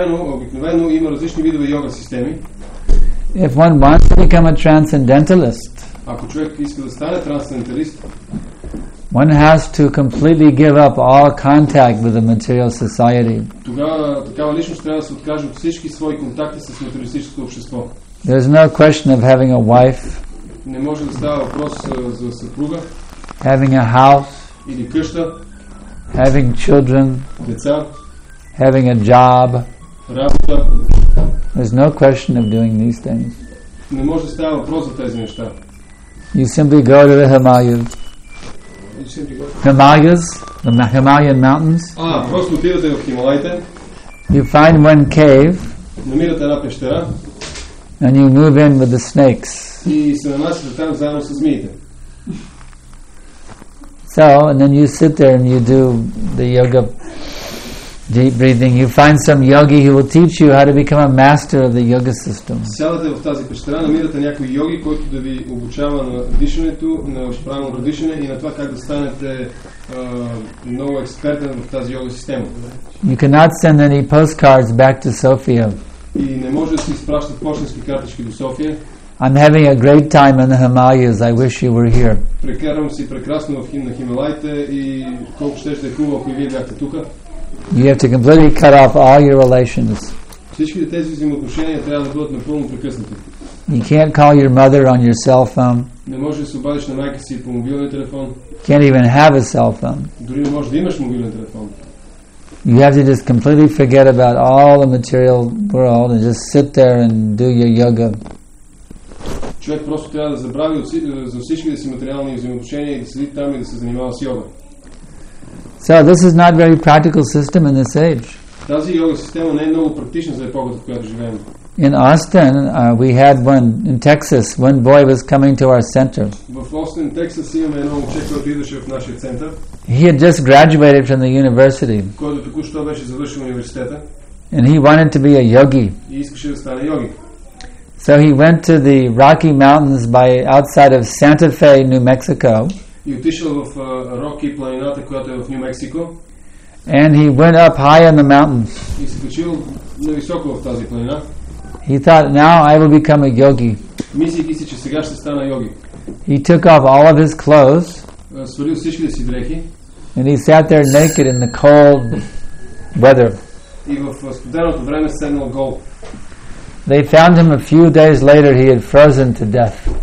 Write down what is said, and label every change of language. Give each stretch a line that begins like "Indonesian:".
Bulgarian: обикновено има различни видове йога системи.
English: If one wants to become a transcendentalist,
Bulgarian: ако човек иска да стане трансценденталист,
English: one has to completely give up all contact with the material society.
Bulgarian: Тогава такава личност трябва да се откаже от всички свои контакти с материалистическото общество.
English: There is no question of having a wife.
Bulgarian: Не може да става въпрос за съпруга.
English: Having a house.
Bulgarian: Или къща.
English: Having children.
Bulgarian: Деца.
English: Having a job.
Bulgarian: Работа.
English: There's no question of doing these things.
Bulgarian: Не може да става въпрос за тези неща.
English: You simply go to the Himalayas. Himalayas, the Himalayan mountains.
Bulgarian: Просто отивате в Хималаите.
English: You find one cave.
Bulgarian: Намирате една пещера.
English: And you move in with the snakes.
Bulgarian: И се намасите там заедно с змиите.
English: So, and then you sit there and you do the yoga deep breathing. You find some yogi who will teach you how to become a master of the yoga system.
Bulgarian: Сядате в тази пещера, намирате някой йоги, който да ви обучава на дишането, на правилното дишане и на това как да станете много експертен в тази йога система.
English: You cannot send any postcards back to Sofia.
Bulgarian: И не може да си изпращате пощенски картички до София.
English: I'm having a great time in the Himalayas. I wish you were here.
Bulgarian: Прекарвам си прекрасно в Хималаите и колко щеше да е хубаво, ако и вие бяхте тука.
English: You have to completely cut off all your relations.
Bulgarian: Всички тези взаимоотношения трябва да бъдат напълно прекъснати.
English: You can't call your mother on your cell phone.
Bulgarian: Не можеш да се обадиш на майка си по мобилния телефон.
English: Can't even have a cell phone.
Bulgarian: Дори не можеш да имаш мобилен телефон.
English: You have to just completely forget about all the material world and just sit there and do your yoga.
Bulgarian: човек просто трябва да забрави за всички да си материални взаимоотношения и да седи там и да се занимава с йога.
English: So this is not very practical system in this age.
Bulgarian: Тази йога система не е много практична за епохата, в която живеем.
English: In Austin, we had one, in Texas, one boy was coming to our center.
Bulgarian: В Austin, Texas, имаме едно момче, който идваше в нашия център.
English: He had just graduated from the university.
Bulgarian: Който току-що беше завършил университета.
English: And he wanted to be a yogi.
Bulgarian: И искаше да стане йоги.
English: So he went to the Rocky Mountains by outside of Santa Fe, New Mexico.
Bulgarian: И отишъл в Rocky планината, която е в New Mexico.
English: And he went up high in the mountains.
Bulgarian: И се качил нависоко в тази планина.
English: He thought, now I will become a yogi.
Bulgarian: Мислих си, че сега ще стана йоги.
English: He took off all of his clothes.
Bulgarian: Свалил всичките си дрехи.
English: And he sat there naked in the cold weather.
Bulgarian: И в студеното време седнал гол.
English: They found him a few days later, he had frozen to death.